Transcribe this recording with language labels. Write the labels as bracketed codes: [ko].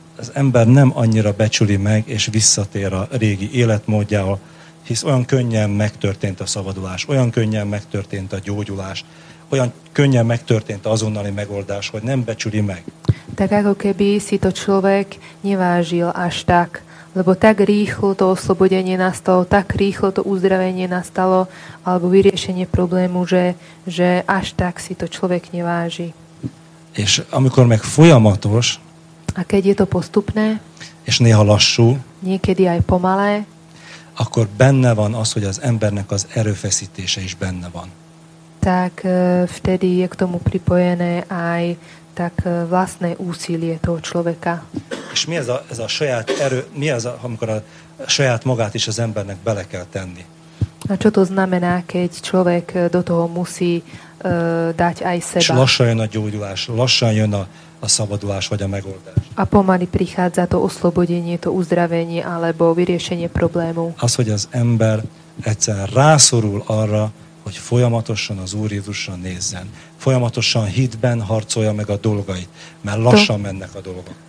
[hu] az ember nem annyira becsüli meg és visszatér a régi életmódjával, hisz olyan könnyen megtörtént a szabadulás, olyan könnyen megtörtént a gyógyulás, olyan könnyen megtörtént azonnali megoldás, hogy nem becsüli meg. [sk] Tak ako keby si to človek nevážil až tak, lebo tak rýchlo to oslobodenie nastalo, tak rýchlo to uzdravenie nastalo, alebo vyriešenie problému, že až tak si to človek neváži. [hu] És amikor meg folyamatos, [sk] a keď je to postupné, [hu] és néha lassú, [sk] niekedy aj pomalé, [hu] akkor benne van az, hogy az embernek az erőfeszítése is benne van. [sk] Tak vtedy je k tomu pripojené aj tak vlastné úsilie toho človeka. [hu] És mi ez a saját erő, mi ez, amikor a saját magát is az embernek bele kell tenni? [sk] A čo to znamená, keď človek do toho musí dať aj seba? [hu] És lassan jön a gyógyulás, lassan jön a szabadulás vagy a megoldás. [sk] A pomaly prichádza to oslobodenie, to uzdravenie alebo vyriešenie problému. [hu] Az, hogy az ember egyszer rászorul arra, hogy folyamatosan az Úr Jézusra nézzen. Folyamatosan hitben harcolja meg a dolgait, mert lassan mennek a dolgok.